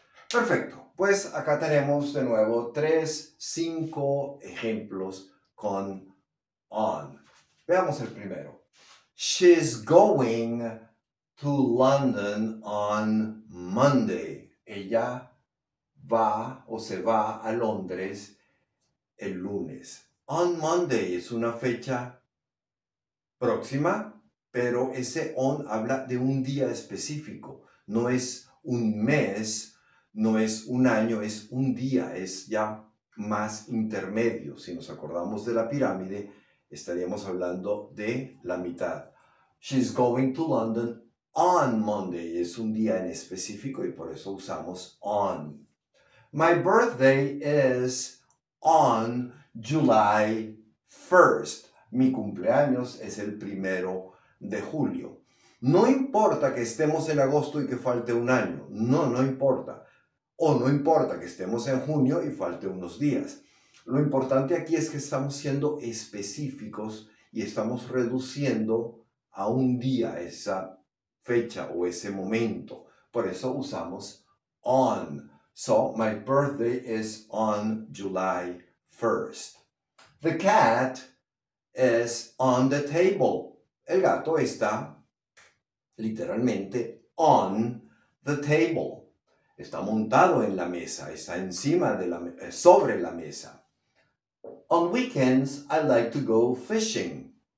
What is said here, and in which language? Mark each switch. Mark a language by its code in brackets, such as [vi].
[es] Perfecto. Pues acá tenemos de nuevo 3, 5 ejemplos con on. Veamos el primero. [en] She's going to London on Monday. [es] Ella va o se va a Londres el lunes. [en] On Monday [es] es una fecha próxima, pero ese on habla de un día específico. No es un mes, no es un año, es un día. Es ya más intermedio. Si nos acordamos de la pirámide, estaríamos hablando de la mitad. [en] She's going to London on Monday. [es] Es un día en específico y por eso usamos on. [en] My birthday is on July 1st. [es] Mi cumpleaños es el primero de julio. No importa que estemos en agosto y que falte un año. No, no importa. O no importa que estemos en junio y falte unos días. Lo importante aquí es que estamos siendo específicos y estamos reduciendo a un día esa fecha o ese momento. Por eso usamos on. [en] So, my birthday is on July 1st. The cat is on the table. [es] El gato está literalmente [en] on the table. [es] Está montado en la mesa, está encima de la sobre la mesa. [en] On weekends, I like to go fishing.